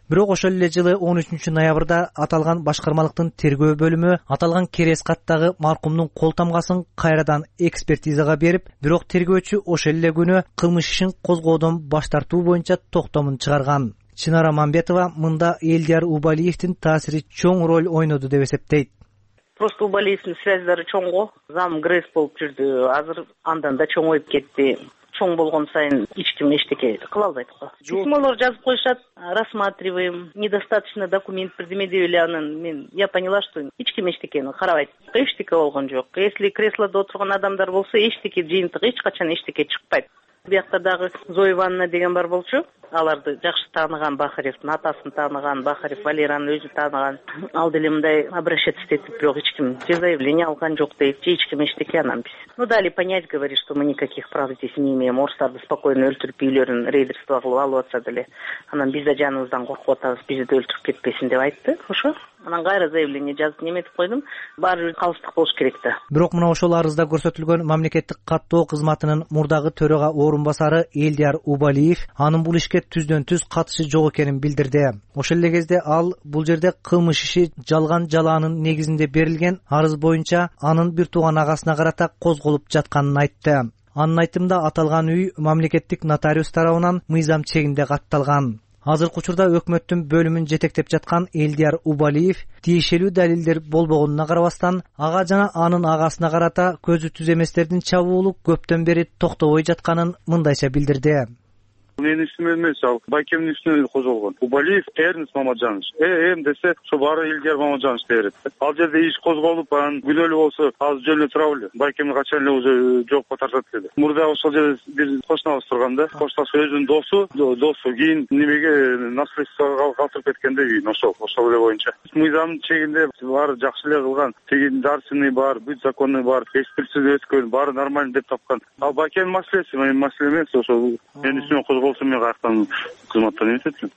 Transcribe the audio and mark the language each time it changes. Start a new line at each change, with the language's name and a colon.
Kyrgyz: Бирок ошол эле жылы 13 ноябрда аталган башкармалыктын тергөө бөлүмү аталган керес каттагы маркумдун кол тамгасын кайрадан экспертизага берип, бирок тергөөчү ошол эле күнү кылмыш ишин козгоодон баш тартуу боюнча токтомун чыгарган. Чынара Мамбетова мында Элдияр Убалиевдин таасири чоң роль ойноду деп эсептейт.
Russian: Просто у болезни
Kyrgyz: связдары чоңго, зам ГРЭС болуп жүрдү, азыр андан да чоңоюп кетти. Чоң болгон сайын эч ким эчтеке кыла албайт го. Письмолор жазып коюшат,
Russian: рассматриваем, недостаточно документ предъявить
Kyrgyz: деп эле анын мен
Russian: я поняла, что
Kyrgyz: эч ким эчтекени карабайт. Эчтеке болгон жок. Если креслодо отурган адамдар болсо, эчтеке жыйынтык эч качан эчтеке чыкпайт. Буякта дагы Зоя Ивановна деген бар болчу. Аларды жакшы тааныган Бахаревдин атасын тааныган, Бахарев Валерияны өзү тааныган. Ал деле мындай обращать истетип, бирок эч ким же заявление алган жок дейт, же эч ким эчтеке анан биз.
Russian: Ну дали понять, говорит, что мы никаких прав здесь не имеем.
Kyrgyz: Орустарды спокойно өлтүрүп үйлөрүн рейдерство кылып алып атса деле. Анан биз да жаныбыздан коркуп атабыз, бизди да өлтүрүп кетпесин деп айтты. Ошо. Анан кайра заявление жазып неметип койдум. Баары бир калыстык болуш керек да. Бирок мына ошол арызда көрсөтүлгөн мамлекеттик каттоо кызматынын мурдагы төрөга орун басары Элдияр Убалиев анын бул ишке түздөн түз катышы жок экенин билдирди. Ошол эле кезде ал бул жерде кылмыш иши жалган жалаанын негизинде берилген арыз боюнча анын бир тууган агасына карата козголуп жатканын айтты. Анын айтымында аталган үй мамлекеттик нотариус тарабынан мыйзам чегинде катталган. Азыркы учурда өкмөттүн бөлүмүн жетектеп жаткан Элдияр Убалиев тиешелүү далилдер болбогонуна карабастан ага жана анын агасына карата көзү түз эместердин чабуулу көптөн бери токтобой жатканын мындайча билдирди. Менин ишим эмес, ал Байкемдин ишинен козголгон. Убалиев Эрнис Мамажанович. Эм десе ошо баары Элдияр Мамажанович дей берет. Ал жерде иш козголуп анан күнөөлүү болсо азыр жөнүнө турабы эле. Байкемди качан эле уже жоопко тартат деди. Мурда ошол жерде бир кошунабыз турган да. Кошунасы өзүнүн досу, досу кийин немеге наследствого калтырып кеткен да үйүн ошол эле боюнча. Мыйзамдын чегинде баары жакшы эле кылган. Тигинин дарсыны бар, бүт законы бар, экспертиза өткөн, баары нормально деп тапкан. Ал Байкемдин маселеси, менин маселем эмес ошол менин ишим болсо мен каяктан кызматтан эмететчи.